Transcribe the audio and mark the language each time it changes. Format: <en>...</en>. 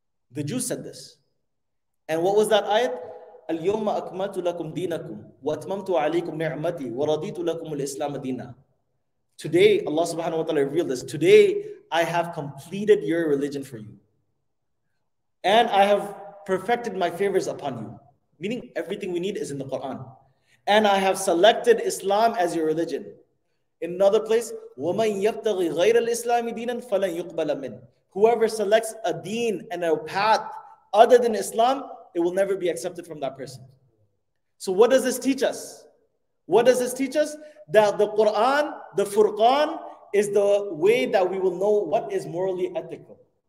<en>The Jews said this. And what was that ayat?</en> <ar>الْيَوْمَ أَكْمَلْتُ لَكُمْ دِينَكُمْ وَأَتْمَمْتُ عَلَيْكُمْ نِعْمَتِي وَرَضِيتُ لَكُمُ الْإِسْلَامَ دِينًا.</ar> <en>Today, Allah subhanahu wa ta'ala revealed this. Today, I have completed your religion for you. And I have perfected my favors upon you. Meaning, everything we need is in the Quran. And I have selected Islam as your religion. In another place,</en> <ar>وَمَنْ يَبْتَغِ غَيْرَ الْإِسْلَامِ دِينًا فَلَنْ يُقْبَلَ مِنْ.</ar> <en>Whoever selects a deen and a path other than Islam, it will never be accepted from that person. So what does this teach us? What does this teach us? That the Quran, the Furqan, is the way that we will know what is morally ethical.</en>